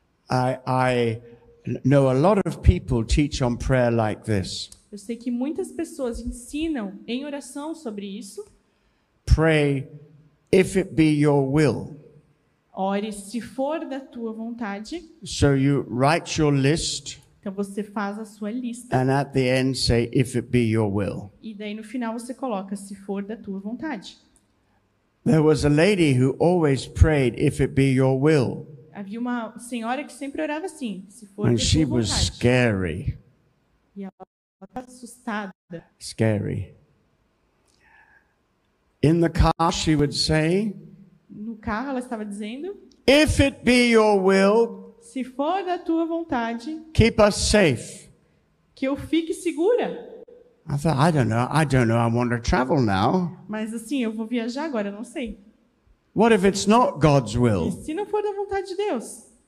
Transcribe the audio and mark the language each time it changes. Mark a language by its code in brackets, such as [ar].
[en] I know a lot of people teach on prayer like this. [pt] Eu sei que muitas pessoas ensinam em oração sobre isso. [en] Pray if it be your will. [pt] Ore se for da tua vontade. [en] So you write your list. [pt] Então você faz a sua lista. [en] And at the end say if it be your will. [pt] E daí no final você coloca se for da tua vontade. [en] There was a lady who always prayed if it be your will. [pt] Havia uma senhora que sempre orava assim, se for [en] and [pt] de sua vontade. [en] And she was scary. [pt] E ela estava assustada. [en] Scary. In the car, she would say. [pt] No carro, ela estava dizendo. [en] If it be your will. [pt] Se for da tua vontade. [en] Keep us safe. [pt] Que eu fique segura. [en] I thought, I don't know, I want to travel now. [pt] Mas assim, eu vou viajar agora, não sei. [en] What if it's not God's will? [pt] E se não for da vontade de Deus?